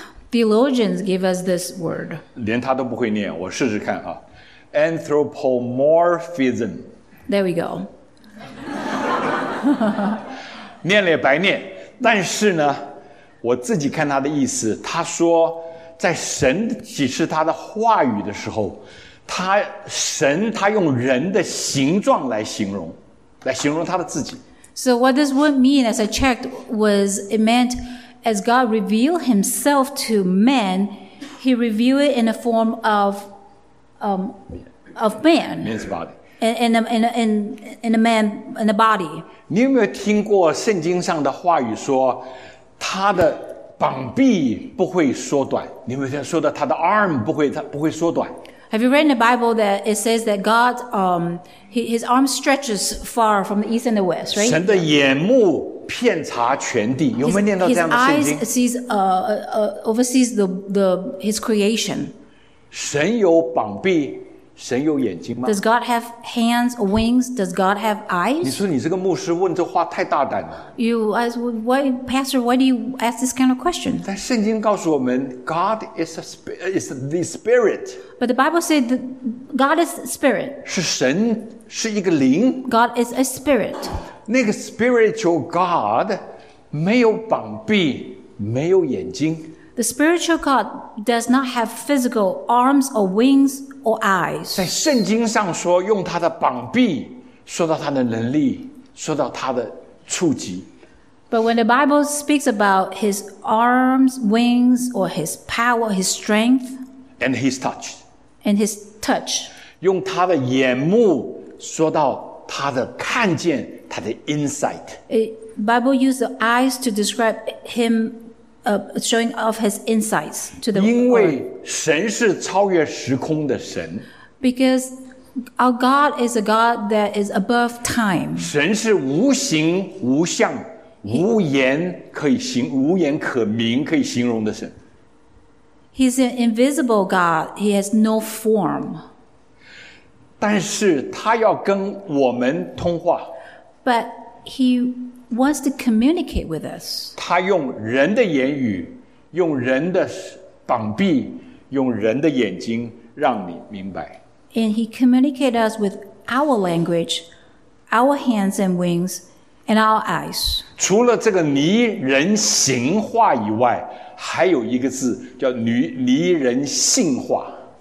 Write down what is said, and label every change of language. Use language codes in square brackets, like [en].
[en] Theologians give us this word. [zh] 连他都不会念，我试试看啊。 [en] Anthropomorphism. There we go. [zh] 念了也白念，但是呢，我自己看他的意思，他说，在神启示他的话语的时候，他用人的形状来形容，他的自己。 [en] So what this word mean, as I checked, was it meant as God revealed Himself to man, He revealed it in a form of man, man's body, in a body. [zh] 你有没有听过圣经上的话语说，他的膀臂不会缩短。你有没有说到他的 arm 不会缩短？ [en] Have you read in the Bible that it says that God, his arm stretches far from the east and the west, right? [zh] 神的眼目遍察全地，有没有念到这样的圣经？ [en] His eyes sees, oversees the his creation. [zh] 神有膀臂，神有眼睛吗？ [en] Does God have hands or wings? Does God have eyes? [zh] 你说你这个牧师问这话太大胆了。 [en] You ask, why, Pastor, why do you ask this kind of question? [zh] 但圣经告诉我们 ， [en] God is the spirit. But the Bible said that God is spirit. [zh] 是神，是一个灵。 [en] God is a spirit. [zh] 那个 spiritual God 没有膀臂，没有眼睛。 [en] The spiritual God does not have physical arms or wings or eyes. [zh] 在圣经上说，用他的膀臂说到他的能力，说到他的触及。 [en] But when the Bible speaks about his arms, wings, or his power, his strength, and his touch, and his touch, [zh] 用他的眼目说到他的看见，他的 insight. [en] Bible uses eyes to describe him. Showing off his insights to the world. [zh] 因为神是超越时空的神。 [en] Because our God is a God that is above time. [zh] 神是无形无相，无言可以形，无言可名可以形容的神。 [en] He's an invisible God. He has no form. [zh] 但是他要跟我们通话。 [en] But he. Wants to communicate with us. [zh] 他用人的言语，用人的膀臂，用人的眼睛，让你明白。 [en] And he communicates us with our language, our hands and wings, and our eyes. [zh] 除了这个拟人形化以外，还有一个字叫拟人性化。